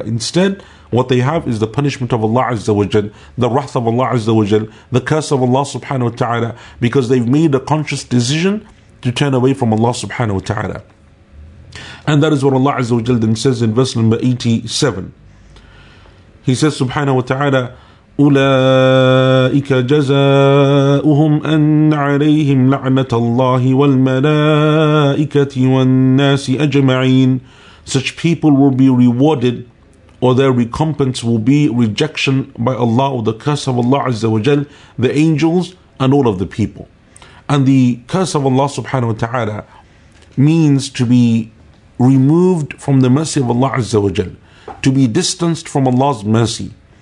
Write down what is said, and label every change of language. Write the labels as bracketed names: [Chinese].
[English] Instead, what they have is the punishment of Allah Azza wa Jal, the wrath of Allah Azza wa Jal, the curse of Allah subhanahu wa ta'ala, because they've made a conscious decision to turn away from Allah subhanahu wa ta'ala. And that is what Allah Azza wa Jal then says in verse number 87. He says subhanahu wa ta'ala, [Arabic] أُولَٰئِكَ جَزَاؤُهُمْ أَنَّ عَلَيْهِمْ لَعْنَةَ اللَّهِ وَالْمَلَائِكَةِ وَالنَّاسِ أَجْمَعِينَ. [English] Such people will be rewarded, or their recompense will be rejection by Allah, or the curse of Allah Azza wa Jal, the angels, and all of the people. And the curse of Allah subhanahu wa ta'ala means to be removed from the mercy of Allah Azza wa Jal, to be distanced from Allah's mercy.